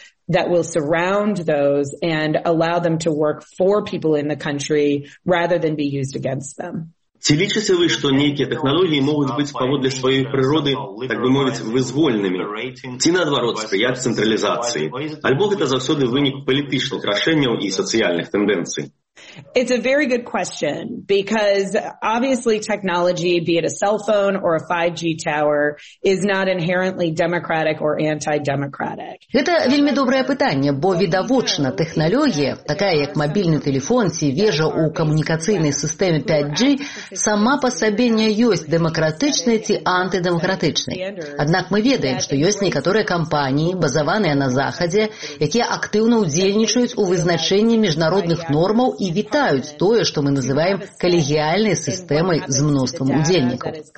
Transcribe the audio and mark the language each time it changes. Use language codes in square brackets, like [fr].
[en] That will surround those and allow them to work for people in the country rather than be used against them. [be] Ці лічыце вы, што нейкія тэхналогіі могуць быць паводле сваёй прыроды, так бы мовіць, вызвольнымі? Ці наадварот, спрыяць цэнтралізацыі? Альбо гэта заўсёды вынік палітычных рашэнняў і сацыяльных тэндэнцый? [en] It's a very good question, because obviously technology, be it a cell phone or a 5G tower, is not inherently democratic or anti-democratic. [be] Гэта вельмі добрае пытанне, бо відавочна тэхналогія, такая як мабільны тэлефон ці вежа ў камунікацыйнай сістэме 5G, сама па сабе не ёсць дэмакратычнай ці антыдэмакратычнай. Аднак мы ведаем, што ёсць некаторыя кампаніі, базаваныя на Захадзе, якія актыўна ўдзельнічаюць у вызначэнні міжнародных нормаў і вітаюць тое, што мы называем калегіальнай сістэмай з мноствам удзельнікаў.